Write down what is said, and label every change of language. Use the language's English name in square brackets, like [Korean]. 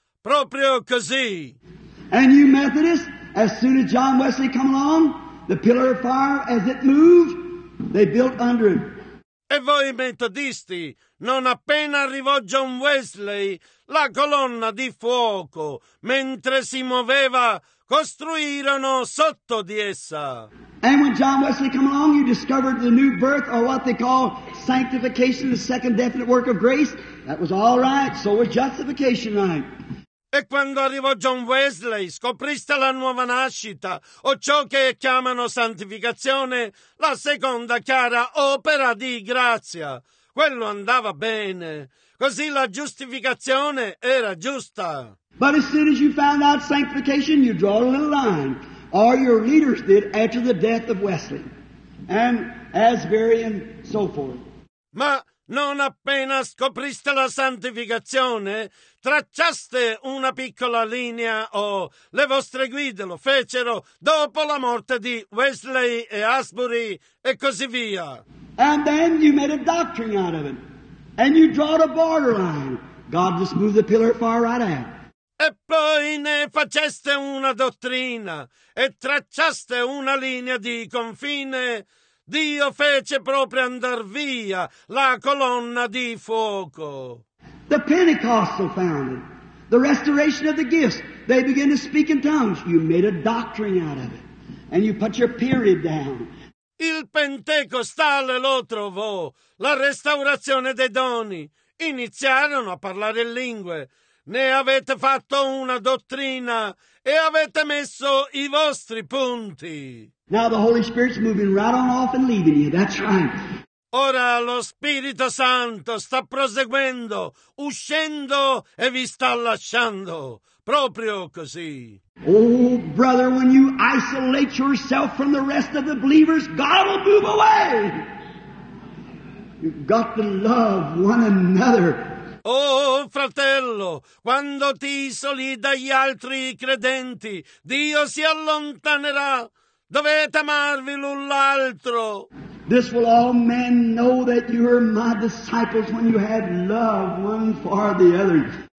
[Italian] Proprio così. [English] And you Methodists, as soon as John Wesley come along, the pillar of fire, as it moved, they built under it. [Italian] E voi metodisti, non appena arrivò John Wesley, la colonna di fuoco, mentre si muoveva, costruirono sotto di essa. [English] And when John Wesley came along, you discovered the new birth, or what they call sanctification, the second definite work of grace. That was all right, so was justification right. [Italian] E quando arrivò John Wesley, scopriste la nuova nascita, o ciò che chiamano santificazione, la seconda chiara opera di grazia. Quello andava bene. Così la giustificazione era giusta. [English] But as soon as you found out sanctification, you draw a little line. Or your leaders did after the death of Wesley. And Asbury and so forth. [Italian] Ma non appena scopriste la santificazione, tracciaste una piccola linea o le vostre guide lo fecero dopo la morte di Wesley e Asbury e così via. [English] And then you made a doctrine out of it. And you drawed a border line. God just moved the pillar far right out. [Italian] E poi ne faceste una dottrina e tracciaste una linea di confine. Dio fece proprio andar via la colonna di fuoco. [English] The Pentecostal founded. The restoration of the gifts. They began to speak in tongues. You made a doctrine out of it. And you put your period down. [Italian] Il Pentecostale lo trovò. La restaurazione dei doni. Iniziarono a parlare in lingue. Ne avete fatto una dottrina e avete messo i vostri punti. [English] Now the Holy Spirit's moving right on off and leaving you, that's right. [Italian] Ora lo Spirito Santo sta proseguendo, uscendo e vi sta lasciando. Proprio così. [English] Oh, brother, when you isolate yourself from the rest of the believers, God will move away. You've got to love one another. [Italian] Oh, fratello, quando ti isoli dagli altri credenti, Dio si allontanerà. Dovete amarvi l'un l'altro. [English] This will all men know that you are my disciples when you have love one for the other.